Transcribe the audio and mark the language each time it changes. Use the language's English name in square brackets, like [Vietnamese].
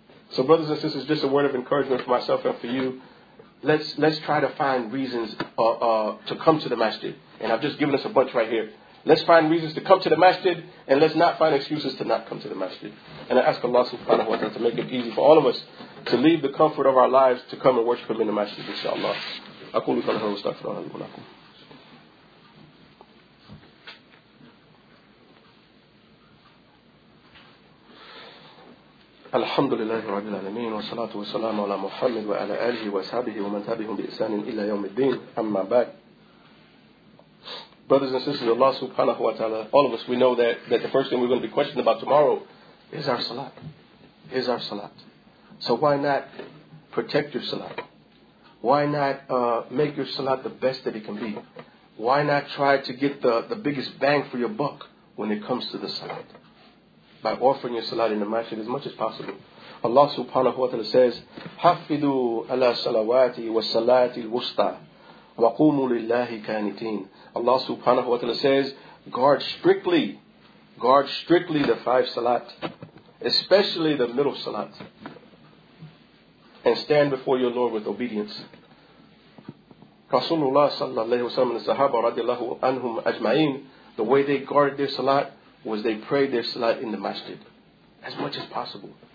[English] So brothers and sisters, just a word of encouragement for myself and for you. Let's try to find reasons to come to the masjid. And I've just given us a bunch right here. Let's find reasons to come to the masjid, and let's not find excuses to not come to the masjid. And I ask Allah subhanahu wa ta'ala to make it easy for all of us to leave the comfort of our lives to come and worship Him in the masjid, inshaAllah. [Arabic] أقول لكم هذا واستغفر الله لكم. الحمد لله رب العالمين والصلاة والسلام على محمد وعلى آله وصحبه ومن تبعهم بإحسان إلى يوم الدين أما بعد. [English] Brothers and sisters, Allah subhanahu wa ta'ala, all of us, we know that the first thing we're going to be questioned about tomorrow is our salat. Is our salat. So why not protect your salat? Why not make your salat the best that it can be? Why not try to get the biggest bang for your buck when it comes to the salat? By offering your salat in the masjid as much as possible. [Arabic] Allah subhanahu wa ta'ala says, حَفِّدُوا عَلَى صَلَوَاتِ وَالصَّلَاتِ الْوُسْطَى وَقُومُوا لِلَّهِ كَانِتِينَ. [English] Allah subhanahu wa ta'ala says, guard strictly the five salat, especially the middle salat, and stand before your Lord with obedience. Rasulullah sallallahu alayhi wa sallam and the Sahaba radiallahu anhum ajma'in, the way they guarded their salat was they prayed their salat in the masjid as much as possible.